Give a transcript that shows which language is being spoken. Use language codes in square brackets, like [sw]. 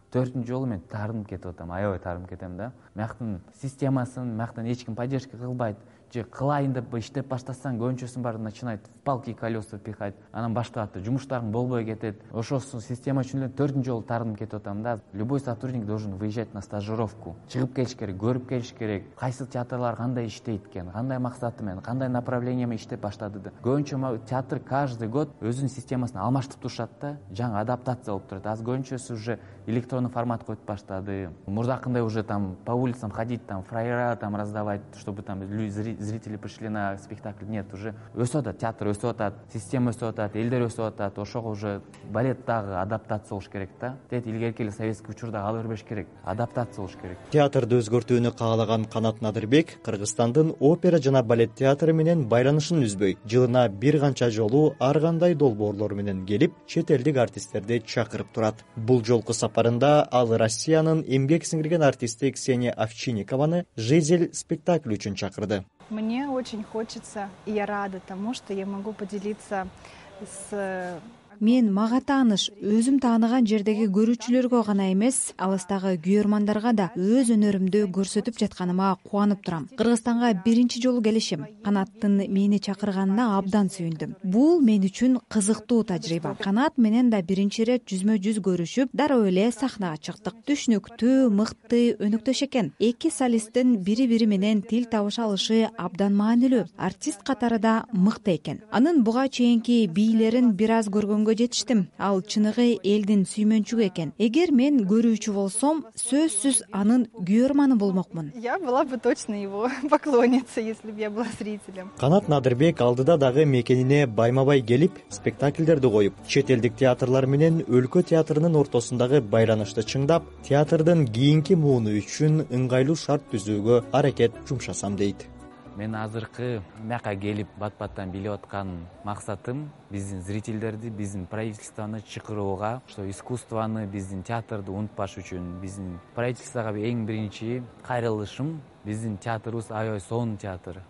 [ky] 4-үнчү жолу мен аябай тарынып кетем да. Мыяктын системасын, мыяктан эч ким поддержка кылбайт. Же кылайын деп иштеп баштасаң, көнчөсүн барып [ru] начинает палки и колеса пихать, [ky] анан баштаат да, жумуштарың болбой кетет. Ошосун система үчүн эле 4-үнчү жолу тарынып кетип атам да. [ru] Любой сотрудник должен выезжать на стажировку. [ky] Чыгып келиш керек, көрүп келиш керек. Кайсы театрлар кандай иштейт экен, кандай максаты менен, кандай направление менен иштеп баштады да. Көнчө театр [ru] каждый год [ky] өзүнүн системасын алмаштырып турушат да, жаңы адаптация болуп турат. Аз көнчөсү уже электронный формат коюп баштады. [ru] Мурдакындай уже там по улицам ходить, там фраера там раздавать, чтобы там зрители пришли на спектакль. [ky] Нет, уже өсө да театр өсө атат, система өсө атат, элдер өсө атат. Ошого уже балет дагы адаптация болуш керек да. Тет илгерки эле советский учурда ал өрбөш керек, адаптация болуш керек. Театрды өзгөртүүнү каалаган Канат Надырбек Кыргызстандын опера жана балет театры менен байланышын үзбөй, жылына бир канча жолу ар кандай долбоорлор менен келип, чет элдик артисттерди чакырып турат. Бул жолку сапарында ал Россиянын эмгек сиңирген артисти Ксения Овчинникованы «Жизель» спектакль үчүн чакырды. [ru] Мне очень хочется, и я рада тому, что я могу поделиться с... [ky] Мен мага тааныш, өзүм тааныган жердеги көрүүчүлөргө гана эмес, алыстагы күйөрмандарга да өз өнөрүмдү көрсөтүп жатканыма кубанып турам. Кыргызстанга биринчи жолу келишим. Канаттын мени чакырганына абдан сүйүндүм. Бул мен үчүн кызыктуу тажрыйба. Канат менен да биринчи ирет жүзмө-жүз көрүшүп, дароо эле сахнага чыктык. Түшүнүктүү, мыкты өнүктөш экен. Эки солисттин бири-бири менен тил табыша алышы абдан маанилүү. Артист катары да мыкты экен. Анын буга чейинки бийлерин бир аз көргөнгө жетиштим. Ал чыныгы элдин сүймөнчүгү экен. Эгер мен көрүүчү болсом, сөзсүз анын күйөрманы болмокмун. [ru] Я была бы точно его поклонница, если бы я была зрителем. [ky] Канат Надырбек алдыда дагы мекенине байма-бай келип, спектакльдерди коюп, чет элдик театрлар менен өлкө театрынын ортосундагы байланышты чыңдап, театрдын кийинки мууну үчүн ыңгайлуу шарт түзүүгө аракет жумшасам дейт. Мен азыркы мыака келип бат-баттан билип аткан максатым биздин зрителдерди, биздин правительствону чакырууга, что искусствону, биздин театрды унутпаш үчүн, биздин правительствога эң биринчи кайрылышым биздин театрыбыз аябай сонун театр.